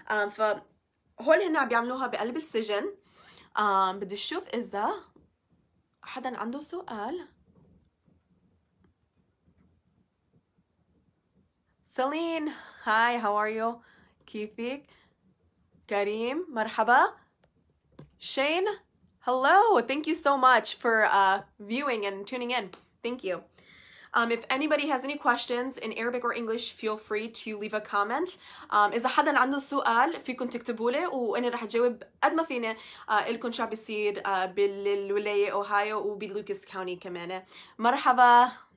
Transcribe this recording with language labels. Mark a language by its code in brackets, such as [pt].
[ar] فهول هنا بيعملوها بقلب السجن. بدي اشوف اذا حدا عنده سؤال. [en] Celine hi, how are you, [ar] كيفك؟ [en] كريم [ar] مرحبا. [en] شين hello, thank you so much for viewing and tuning in. Thank you. If anybody has any questions in Arabic or English, feel free to leave a comment. [ar] إذا حدا عنده سؤال فيكن تكتبوا لي وأنا رح أجاوب قد ما فينا. إلكن شو عم بيصير بالولاية أوهايو وبلوكس كاونتي كمان. مرحبا.